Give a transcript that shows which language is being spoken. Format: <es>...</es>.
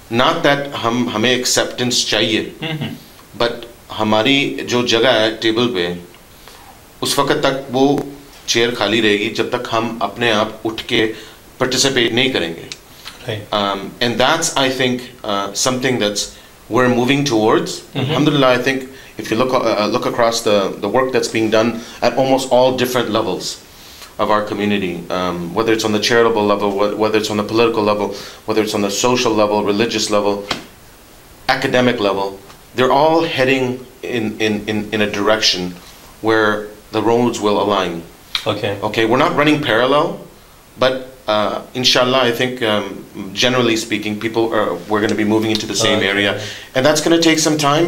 <en>Not that</en> <ur>hame acceptance chahiye.</ur> <en>But</en> <ur>ہماری جو جگہ ہے ٹیبل پہ اس وقت تک وہ چیئر خالی رہے گی جب تک ہم اپنے آپ اٹھ کے پارٹیسپیٹ نہیں کریں گے</ur> <en>And that's I think something that's we are moving towards الحمد للہ I think if you look across the work that's being done at almost all different levels of our community whether it's on the charitable level whether it's on the political level whether it's on the social level religious level academic level they're all heading in a direction where the roads will align okay we're not running parallel but Inshallah, I think generally speaking, people are, we're going to be moving into the same area, and that's going to take some time.</en>